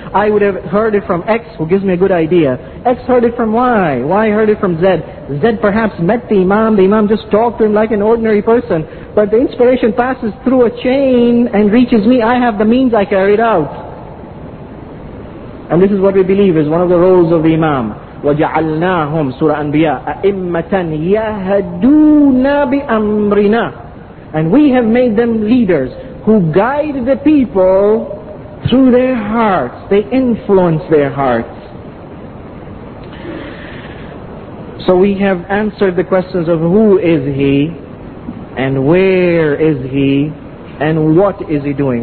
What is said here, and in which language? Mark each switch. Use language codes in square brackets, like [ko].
[en] I would have heard it from X, who gives me a good idea. X heard it from Y. Y heard it from Z. Z perhaps met the Imam. The Imam just talked to him like an ordinary person. But the inspiration passes through a chain and reaches me. I have the means, I carry it out. And this is what we believe is one of the roles of the Imam. [ar] وَجَعَلْنَاهُمْ Surah Anbiya أَئِمَّةً يَهَدُونَ بِأَمْرِنَا. [en] And we have made them leaders who guide the people through their hearts. They influence their hearts. So we have answered the questions of who is he and where is he and what is he doing.